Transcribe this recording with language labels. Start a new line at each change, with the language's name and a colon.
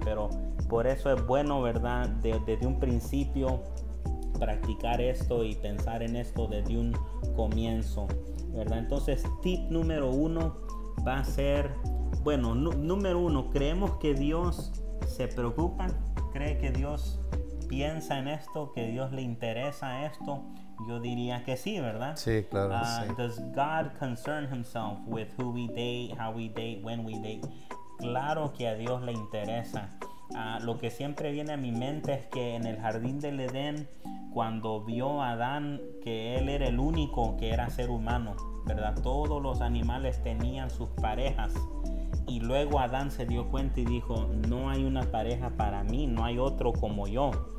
Spanish: Pero por eso es bueno, ¿verdad? Desde un principio practicar esto y pensar en esto desde un comienzo, ¿verdad? Entonces, tip número 1 va a ser, bueno, número 1, creemos que Dios se preocupa, cree que Dios piensa en esto, que Dios le interesa esto, yo diría que sí, ¿verdad? Sí, claro. Sí.
English: Does God concern himself with who we date, how we date, when we date?
Spanish: Claro que a Dios le interesa. Lo que siempre viene a mi mente es que en el jardín del Edén, cuando vio a Adán, que él era el único que era ser humano, ¿verdad? Todos los animales tenían sus parejas. Y luego Adán se dio cuenta y dijo, no hay una pareja para mí, no hay otro como yo.